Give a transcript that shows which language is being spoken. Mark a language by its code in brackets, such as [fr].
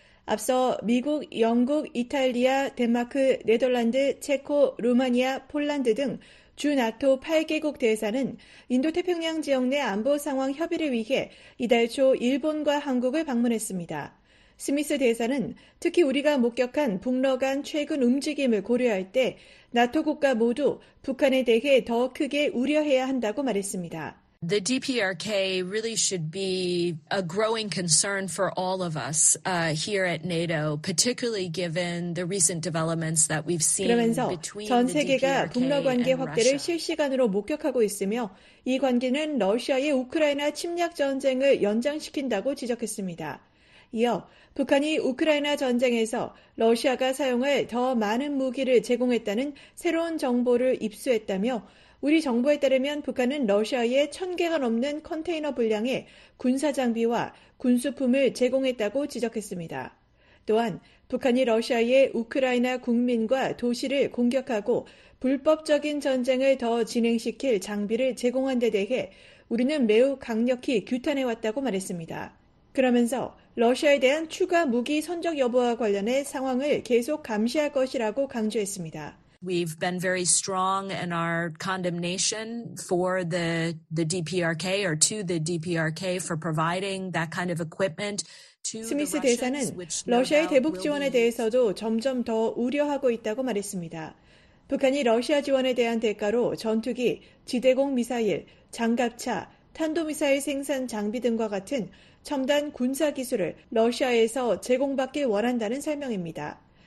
[ko] 앞서 미국, 영국, 이탈리아, 덴마크, 네덜란드, 체코, 루마니아, 폴란드 등 주 나토 8개국 대사는 인도태평양 지역 내 안보 상황 협의를 위해 이달 초 일본과 한국을 방문했습니다. 스미스 대사는 특히 우리가 목격한 북러 간 최근 움직임을 고려할 때 나토 국가 모두 북한에 대해 더 크게 우려해야 한다고 말했습니다. [en] The DPRK really should be a growing concern for all of us here at NATO, particularly given the recent developments that we've seen between the DPRK and Russia. [ko] 전 세계가 북러 관계 확대를 실시간으로 목격하고 있으며 이 관계는 러시아의 우크라이나 침략 전쟁을 연장시킨다고 지적했습니다. 이어 북한이 우크라이나 전쟁에서 러시아가 사용할 더 많은 무기를 제공했다는 새로운 정보를 입수했다며 우리 정부에 따르면 북한은 러시아에 1,000개가 넘는 컨테이너 분량의 군사 장비와 군수품을 제공했다고 지적했습니다. 또한 북한이 러시아의 우크라이나 국민과 도시를 공격하고 불법적인 전쟁을 더 진행시킬 장비를 제공한 데 대해 우리는 매우 강력히 규탄해왔다고 말했습니다. 그러면서 러시아에 대한 추가 무기 선적 여부와 관련해 상황을 계속 감시할 것이라고 강조했습니다. [en] We've been very strong in our condemnation for the DPRK or to the DPRK for providing that kind of equipment to the Russians. [ko] 스미스 대사는 러시아의 대북 지원에 대해서도 점점 더 우려하고 있다고 말했습니다. 북한이 러시아 지원에 대한 대가로 전투기, 지대공 미사일, 장갑차, 탄도미사일 생산 장비 등과 같은 첨단 군사 기술을 러시아에서 제공받길 원한다는 설명입니다.